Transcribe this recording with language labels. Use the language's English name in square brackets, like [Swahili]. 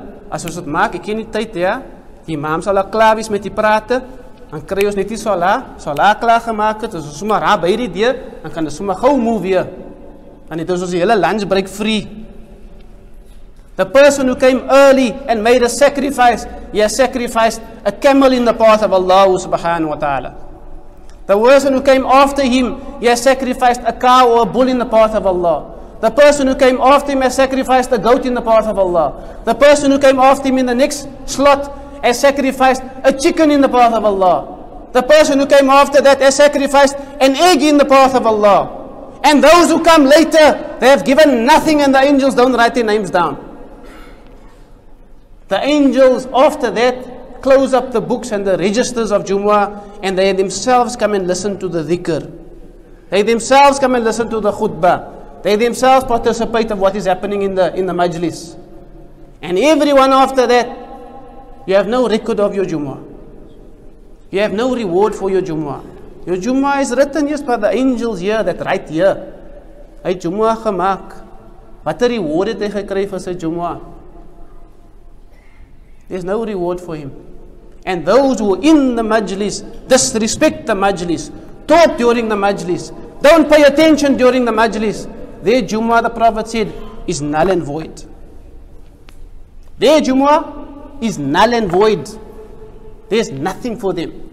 [Afrikaans] As ons dit maak, ek ken die tyd, ja, die imam sal al klaar wees met die praat, dan kry ons net die salah klaar gemaak het, as ons sommer raar by die deur, dan kan ons sommer gauw moe weer, dan het ons die hele [English] lunch break free. The person who came early and made a sacrifice, he has sacrificed a camel in the path of Allah subhanahu wa ta'ala. The person who came after him, he has sacrificed a cow or a bull in the path of Allah. The person who came after him has sacrificed a goat in the path of Allah. The person who came after him in the next slot has sacrificed a chicken in the path of Allah. The person who came after that has sacrificed an egg in the path of Allah. And those who come later, they have given nothing and the angels don't write their names down. The angels after that close up the books and the registers of Jumu'ah and they themselves come and listen to the dhikr. They themselves come and listen to the khutbah. They themselves participate of what is happening in the majlis. And everyone after that, you have no record of your Jumu'ah. You have no reward for your Jumu'ah. Your Jumu'ah is written just by the angels here that write here. [Afrikaans] Hey, Jumu'ah gemaak. Wat 'n reward het hy gekry vir sy Jumu'ah? [English] There's no reward for him. And those who are in the majlis, disrespect the majlis, talk during the majlis, don't pay attention during the majlis, their Jumu'ah, the Prophet said, is null and void. Their Jumu'ah is null and void. There's nothing for them.